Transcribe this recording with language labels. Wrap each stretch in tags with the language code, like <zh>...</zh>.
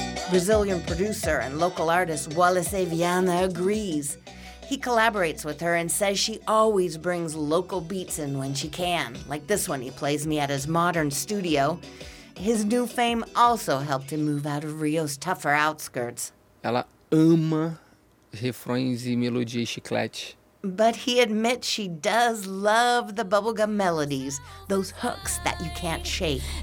<en>Brazilian producer and local artist Wallace Viana agrees. He collaborates with her and says she always brings local beats in when she can, like this one he plays me at his modern studio. His new fame also helped him move out of Rio's tougher outskirts.</en> <pt>Ela ama refrões e melodias chiclete.</pt> <en>But he admits she does love the bubblegum melodies, those hooks that you can't shake.</en>